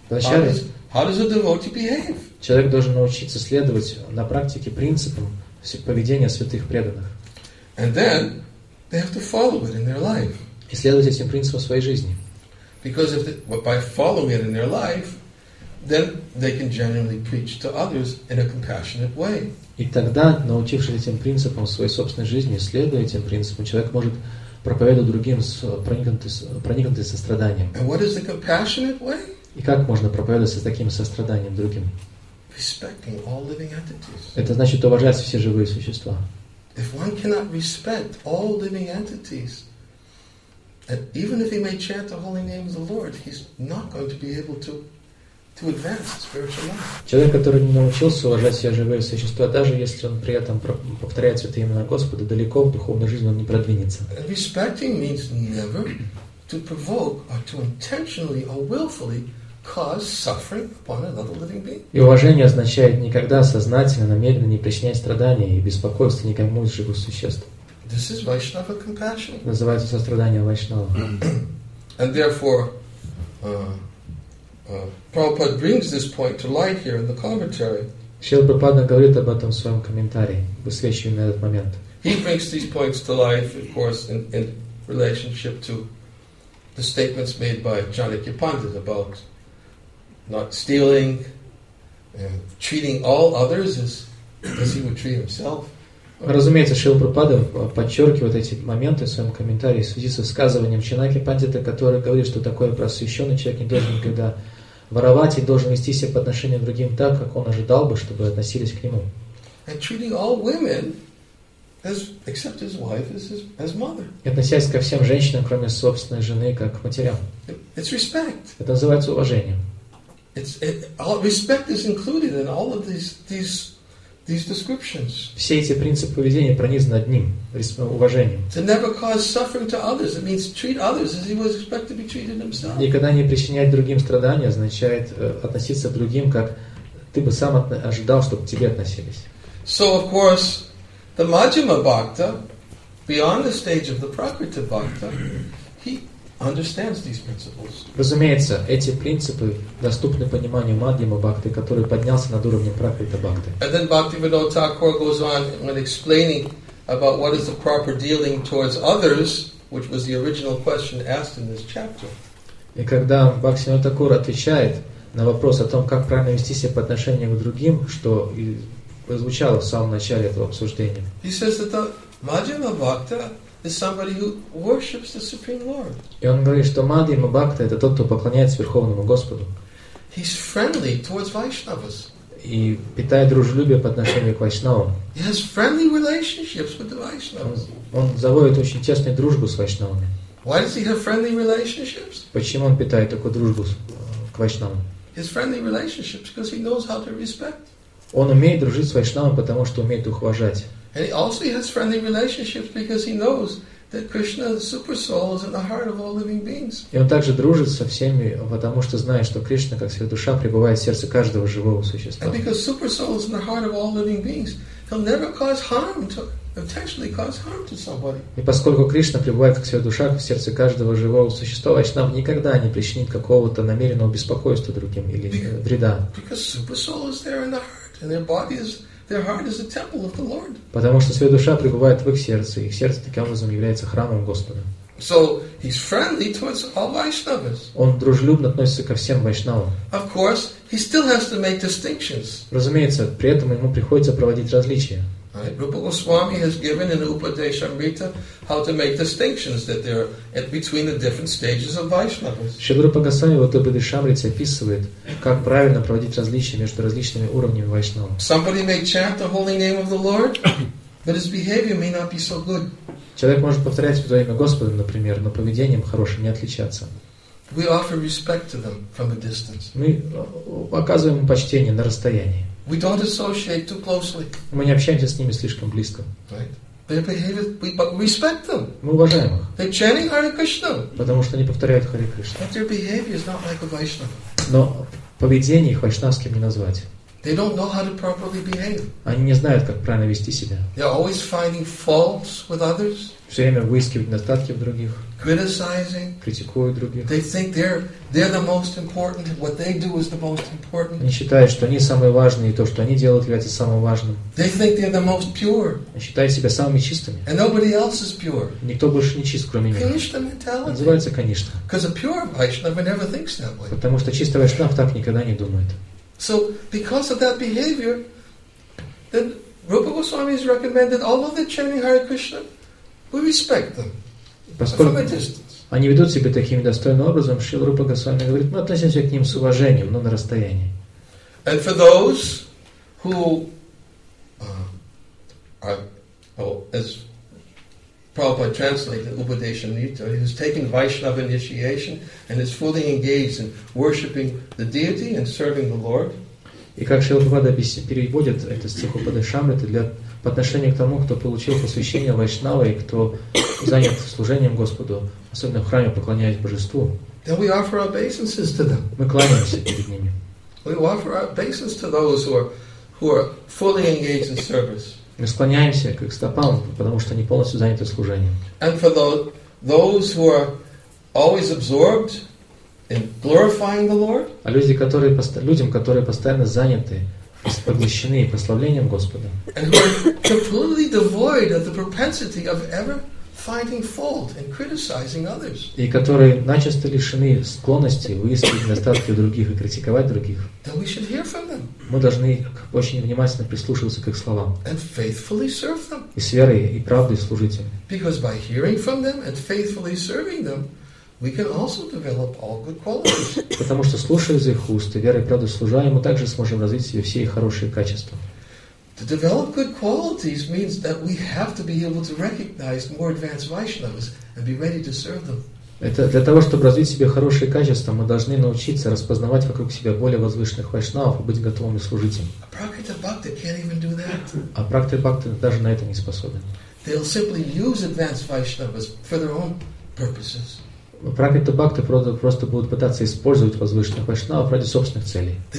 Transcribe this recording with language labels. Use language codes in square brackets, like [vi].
[en] How does a devotee behave? [ru] Человек должен научиться следовать на практике принципам поведения святых преданных. [en] And then they have to follow it in their life. [ru] И следовать этим принципам в своей жизни. [en] Because by following it in their life, then they can genuinely preach to others in a compassionate way. [ru] И тогда, научившись этим принципам в своей собственной жизни, следуя этим принципам, человек может проповедуя другим с проникнутым состраданием. [en] And what is the compassionate way? [ru] И как можно проповедовать с таким состраданием другим? [en] Respecting all living entities. [ru] Это значит уважать все живые существа. [en] If one cannot respect all living entities, and even if he may chant the holy name of the Lord, he's not going to be able to [ru] Человек, который не научился уважать все живые существа, даже если он при этом повторяет святые имена Господа, далеко в духовной жизни он не продвинется. [en] Respecting means never to provoke or to intentionally or willfully cause suffering upon another living being. [ru] И уважение означает никогда сознательно, намеренно не причинять страдания и беспокойства никому из живых существ. [en] This is Vaishnava compassion. [ru] Называется сострадание Вайшнава. [en] And therefore, Prabhupada brings this point to light here in the commentary. [ru] Шрила Прабхупада говорит об этом в своем комментарии, высвечивая этот момент. [en] He brings these points to light, of course, in relationship to the statements made by Chanakya Pandit about not stealing and treating all others as he would treat himself. [ru] Разумеется, Шрила Прабхупада подчеркивает эти моменты в своем комментарии в связи с высказыванием Чанакья Пандита, который говорит, что такой просвещенный человек не должен никогда воровать и должен вести себя по отношению к другим так, как он ожидал бы, чтобы относились к нему. [en] And treating all women as, except his wife, as mother. [ru] И относясь ко всем женщинам, кроме собственной жены, как к матерям. [en] It's respect. [ru] Это называется уважением. [en] Respect is included in all of these descriptions. [ru] Все эти принципы поведения пронизаны одним уважением. [en] To never cause suffering to others, it means treat others as he was expected to be treated himself. [ru] Никогда не причинять другим страдания означает относиться к другим, как ты бы сам ожидал, чтобы к тебе относились. [en] So of course, the Madhyama Bhakta, beyond the stage of the Prakriti Bhakta, he understands these principles. [ru] Разумеется, эти принципы доступны пониманию Мадхьяма Бхакты, который поднялся над уровнем Пракрита Бхакты. [en] And then Bhaktivinoda Thakur goes on when explaining about what is the proper dealing towards others, which was the original question asked in this chapter. [ru] И когда Бхактивинода Такур отвечает на вопрос о том, как правильно вести себя по отношению к другим, что и звучало в самом начале этого обсуждения. [en] He says that the Mahjana Bhakta is somebody who worships the Supreme Lord. [ru] И он говорит, что Мадхьяма Бхакта — это тот, кто поклоняется Верховному Господу. [en] He's friendly towards Vaishnavas. [ru] И питает дружелюбие по отношению к Вайшнавам. [en] He has friendly relationships with the Vaishnavas. [ru] Он заводит очень тесную дружбу с Вайшнавами. [en] Why does he have friendly relationships? [ru] Почему он питает такую дружбу к Вайшнавам? [en] His friendly relationships because he knows how to respect. [ru] Он умеет дружить с Вайшнавами, потому что умеет их уважать. [en] And also he has friendly relationships because he knows that Krishna, the super soul, is in the heart of all living beings. [ru] И он также дружит со всеми, потому что знает, что Кришна, как сверхдуша, пребывает в сердце каждого живого существа. [en] And because super soul is in the heart of all living beings, he'll never cause harm to, intentionally cause harm to somebody. [ru] И поскольку Кришна пребывает как сверхдуша в сердце каждого живого существа, Вайшнав никогда не причинит какого-то намеренного беспокойства другим или вреда. [en] Because super soul is there in the heart, and their body is. Their heart is a temple of the Lord. [ru] Потому что своя душа пребывает в их сердце, и их сердце таким образом является храмом Господа. [en] So he's friendly towards all Vaishnavas. [ru] Он дружелюбно относится ко всем Вайшнавам. [en] Of course, he still has to make distinctions. [ru] Разумеется, при этом ему приходится проводить различия. [en] Rupa Goswami has given in Upadeshamrita how to make distinctions that there are between the different stages of Vaishnavas. [ru] Шрила Рупа Госвами в Упадешамрите описывает, как правильно проводить различия между различными уровнями Вайшнава. [en] Somebody may chant the holy name of the Lord, but his behavior may not be so good. [ru] Человек может повторять Святое имя Господа, например, но поведением хорошим не отличаться. [en] We offer respect to them from a distance. [ru] Мы оказываем им почтение на расстоянии. [en] We don't associate too closely. [ru] Мы не общаемся с ними слишком близко. [en] Right. But we respect them. [ru] Мы уважаем их. [en] They're chanting Hare Krishna. [ru] Потому что они повторяют Харе Кришну. [en] But their behavior is not like a Vaishnava. [ru] Но поведение их вайшнавским не назвать. [en] They don't know how to properly behave. [ru] Они не знают, как правильно вести себя. [en] They're always finding faults with others. [ru] Все время выискивают недостатки в других. [en] Criticizing. [ru] Критикуют других. [en] They think they're the most important. What they do is the most important. [ru] Они считают, что они самые важные, и то, что они делают, является самым важным. [en] They think they're the most pure. [ru] Они считают себя самыми чистыми. [en] And nobody else is pure. [ru] Никто больше не чист, кроме них. [en] Конечно, mentality. [ru] Называется конечно. [en] Because a pure Vaishnava never thinks that way. [ru] Потому что чистый Вайшнав так никогда не думает. [en] So because of that behavior, then Rupa Goswami has recommended all of the chanting Hare Krishna, we respect them. [ru] Поскольку они ведут себя таким достойным образом, Шрила Рупа Госвами говорит, мы относимся к ним с уважением, но на расстоянии. [en] And for those who are, oh, as Prabhupada translated Upadeshanita. He was taking Vaishnava initiation and is fully engaged in worshipping the deity and serving the Lord. [ru] И как Шрила Прабхупада переводит это стих Упадешамриты для по отношению к тому, кто получил посвящение Вайшнава и кто занят служением Господу, особенно в храме, поклоняясь Божеству. [en] Then we offer our obeisances to them. [ru] Мы кланяемся перед ними. [en] We offer our obeisances to those who are fully engaged in service. [ru] Мы склоняемся к их стопам, потому что они полностью заняты служением. [en] And for those who are always absorbed in glorifying the Lord. [ru] А люди, которые людям, которые постоянно заняты, поглощены прославлением Господа. [en] And who are completely devoid of the propensity of ever finding fault and criticizing others. [ru] И которые начисто лишены склонности выискивать недостатки у других и критиковать других. [en] Then we should hear from them. [ru] Мы должны очень внимательно прислушиваться к их словам. [en] And faithfully serve them. [ru] И с верой и правдой служить им. [en] Because by hearing from them and faithfully serving them, we can also develop all good qualities. [ru] Потому что слушая из их уст и верой и правдой служа ему, также сможем развить себе все хорошие качества. [en] To develop good qualities means that we have to be able to recognize more advanced Vaishnavas and be ready to serve them. [ru] Это для того, чтобы развить себе хорошие качества, мы должны научиться распознавать вокруг себя более возвышенных вайшнавов и быть готовыми служить им. [en] A practical bhakta can't even do that. [ru] А практик бхакта даже на это не способен. [en] They'll simply use advanced Vaishnavas for their own purposes. [ru] Пракрита бхакты просто будут пытаться использовать возвышенных вайшнавов ради собственных целей.